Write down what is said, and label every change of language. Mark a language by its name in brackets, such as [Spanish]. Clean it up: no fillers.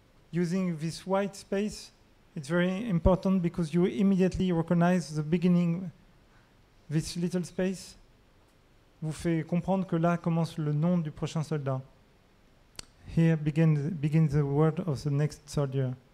[English] Using this white space, it's very important because you immediately recognize the beginning, this little space. [French] Vous fait comprendre que là commence le nom du prochain soldat. [English] Here begins the word of the next soldier.